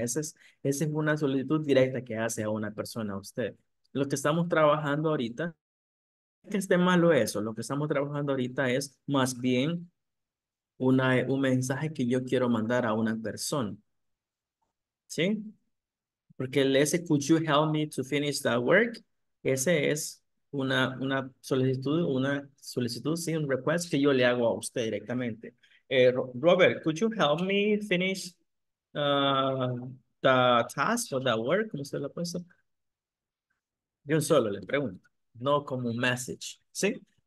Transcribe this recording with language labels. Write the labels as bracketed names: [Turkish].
[Spanish] Esa es una solicitud directa que hace a una persona, a usted. Lo que estamos trabajando ahorita, que esté malo eso, lo que estamos trabajando ahorita es más bien un mensaje que yo quiero mandar a una persona. ¿Sí? Porque el ese, [English] could you help me to finish that work? [Spanish] Ese es una solicitud, sí, un request que yo le hago a usted directamente. [English] Robert, could you help me finish the task or the work? [Spanish] ¿Cómo se lo ha puesto? Yo solo le pregunto, no como un message, ¿sí?